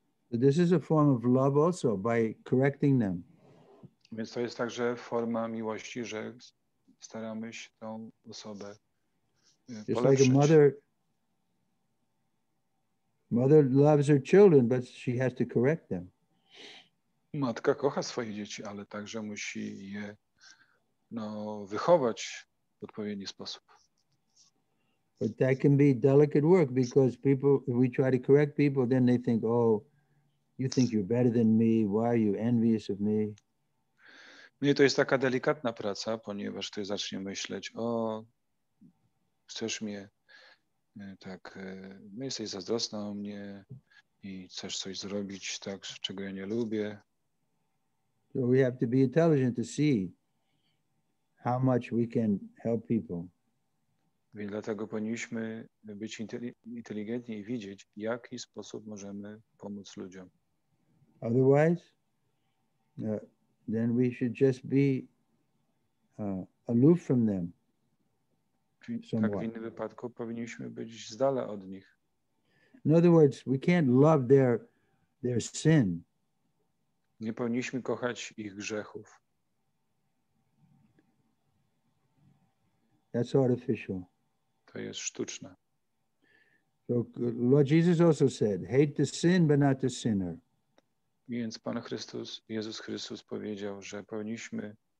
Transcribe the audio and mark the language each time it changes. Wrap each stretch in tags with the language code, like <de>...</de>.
<en>This is a form of love also, by correcting them.</en> <pl>Więc to jest także forma miłości, że staramy się tą osobę polepszyć.</pl> <en>Just like a mother loves her children, but she has to correct them.</en> <pl>Matka kocha swoje dzieci, ale także musi je no, wychować w odpowiedni sposób.</pl> <en>But that can be delicate work because people, if we try to correct people, then they think, oh, you think you're better than me. Why are you envious of me?</en> <pl>Nie, to jest taka delikatna praca, ponieważ ty zaczniesz myśleć, o, chcesz mnie tak, jesteś zazdrosna o mnie i chcesz coś zrobić tak, czego ja nie lubię.</pl> <en>So we have to be intelligent to see how much we can help people.</en> <pl>I dlatego powinniśmy być inteligentni i widzieć, w jaki sposób możemy pomóc ludziom.</pl> <en>Otherwise, then we should just be aloof from them.</en> <pl>Tak, w innym wypadku powinniśmy być z dala od nich.</pl> <en>In other words, we can't love their sin.</en> <pl>Nie powinniśmy kochać ich grzechów.</pl> <en>That's artificial.</en> <pl>To jest sztuczne.</pl> <en>So Lord Jesus also said, hate the sin, but not the sinner.</en> <pl>Więc Pan Chrystus, Jezus Chrystus powiedział, że powinniśmy</pl>